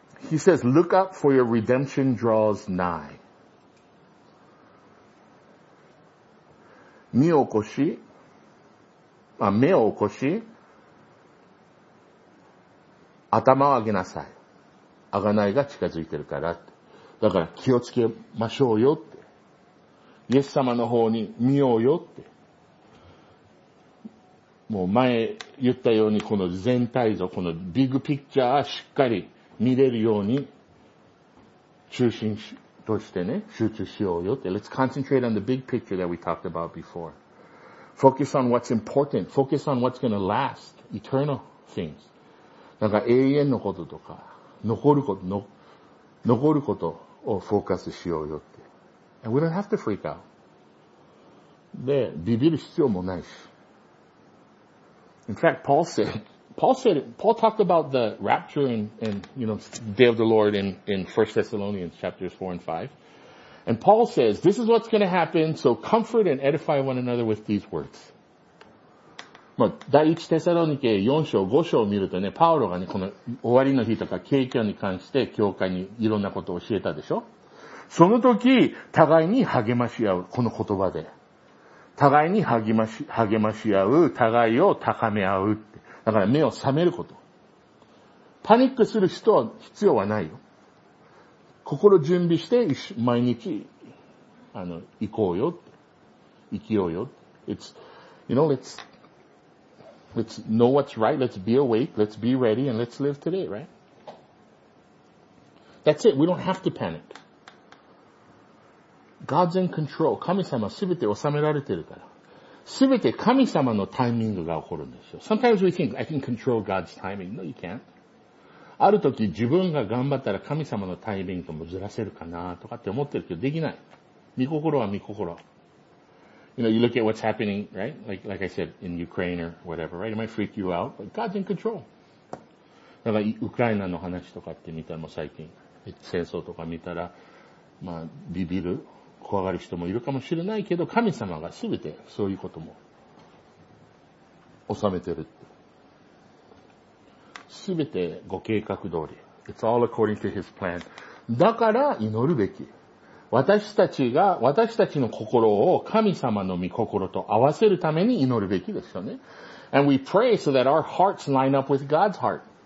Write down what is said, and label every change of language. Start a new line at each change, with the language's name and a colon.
English: He says, look up for your redemption draws nigh.
Japanese: 見起こし、あ、目を起こし、頭を上げなさい。贖いが近づいてるからって。だから気をつけましょうよって。イエス様の方に見ようよって。もう前言ったようにこの全体像、このビッグピクチャーはしっかり見れるように中心としてね、集中しようよって。
English: Let's concentrate on the big picture that we talked about before. Focus on what's important. Focus on what's going to last. Eternal things.
Japanese: なんか永遠のこととか。残ることをフォーカスしようよって。
English: And we don't have to freak out.
Japanese: で、ビビる必要もないし。
English: In fact, Paul talked about the rapture and, you know, day of the Lord in 1 Thessalonians chapters 4 and 5. And Paul says, this is what's going to happen, so comfort and edify one another with these words.
Japanese: まあ、第1テサロニケ4章、5章を見るとね、パウロがね、この終わりの日とか、景況に関して、教会にいろんなことを教えたでしょ？その時、互いに励まし合う、この言葉で。互いに励まし合う、互いを高め合うって。だから目を覚めること。パニックする人は必要はないよ。心準備して、毎日、行こうよって。生きようよって。
English: Let's know what's right, let's be awake, let's be ready, and let's live today, right? That's it, we don't have to panic. God's in control.
Japanese: 神様すべて収められてるから。すべて神様のタイミングが起こるんですよ。
English: Sometimes we think, I can control God's timing. No, you can't.
Japanese: ある時自分が頑張ったら神様のタイミングもずらせるかなとかって思ってるけど、できない。御心は御心。
English: You know, you look at what's happening, right? Like I said, in Ukraine or whatever, right? It might freak you out, but God's in control.
Japanese: だからウクライナの話とかって見たら、もう最近戦争とか見たら、まあビビる、怖がる人もいるかもしれないけど、神様がすべてそういうことも収めてるって。すべてご計画通り。
English: It's all according to his plan.
Japanese: だから祈るべき。私たちの心を神様の御心と合わせるために祈るべきですよね。
English: And we pray so that our hearts line up with God's heart.